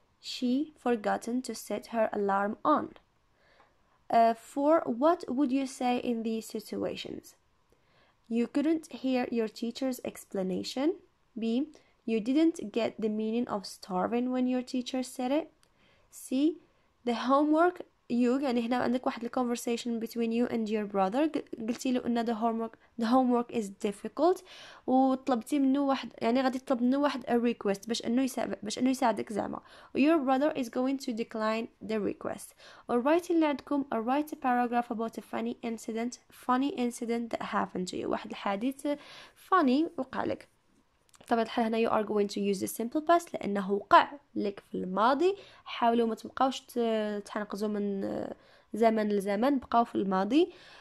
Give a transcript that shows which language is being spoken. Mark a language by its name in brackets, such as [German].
[English] She forgotten to set her alarm on. For what would you say in these situations? You couldn't hear your teacher's explanation. B. You didn't get the meaning of starving when your teacher said it. C. The homework you, [Arabic] يعني هنا عندك واحد [English] الconversation between you and your brother. [Arabic] قلتي له ان [English] the homework is difficult [Arabic] وطلبتي منه واحد, يعني غادي تطلب منه واحد [English] a request [Arabic] باش انه يساعدك زعما. [English] Your brother is going to decline the request. Or write [Arabic] اللي عندكم, [English] or write a paragraph about a funny incident that happened to you. [Arabic] واحد الحادث funny وقع لك. طبعا الحال هنا [English] you are going to use the simple past [Arabic] لأنه وقع لك في الماضي. حاولوا ما تبقاوش تحنقزوا من زمن لزمن, بقاو في الماضي.